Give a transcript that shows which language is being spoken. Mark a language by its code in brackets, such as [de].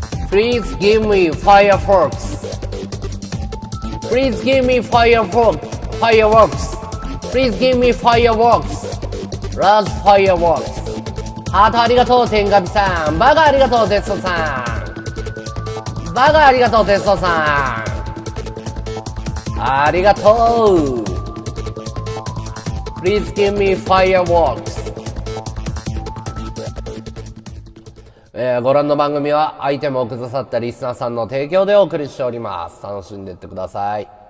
[en] Please give me fireworks. Please give me fireworks. Fireworks. Please give me fireworks. Large fireworks. [ja] ハートありがとう、テンガビさん。バカありがとう、テストさん。バカありがとう、テストさん。ありがとう。 [en] Please give me fireworks. [ja] ご覧の番組は、アイテムをくださったリスナーさんの提供でお送りしております。楽しんでいってください。